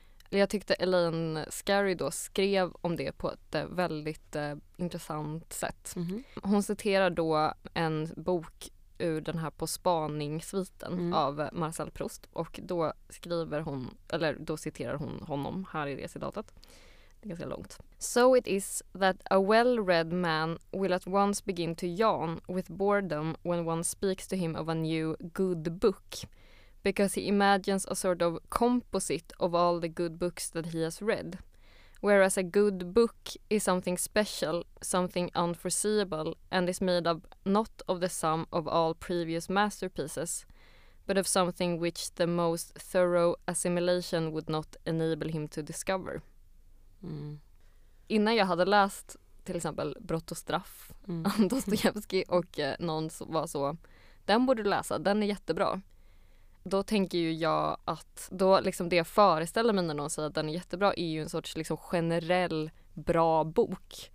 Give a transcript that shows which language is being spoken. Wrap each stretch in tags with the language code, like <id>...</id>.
<sv>Jag tyckte Elaine Scarry då skrev om det på ett väldigt intressant sätt. Mm. Hon citerar då en bok ur den här På spaningssviten av Marcel Proust. Och då skriver hon, eller då citerar hon honom här i det citatet. Det är ganska långt.</sv> <en>So it is that a well-read man will at once begin to yawn with boredom when one speaks to him of a new good book, because he imagines a sort of composite of all the good books that he has read. Whereas a good book is something special, something unforeseeable, and is made up not of the sum of all previous masterpieces, but of something which the most thorough assimilation would not enable him to discover. Mm.</en> <sv>Innan jag hade läst till exempel Brott och straff, Dostojevskij, och någon som var så, den borde du läsa, den är jättebra. Då tänker ju jag att då liksom det jag föreställer mig när någon säger att den är jättebra är ju en sorts liksom generell bra bok.</sv>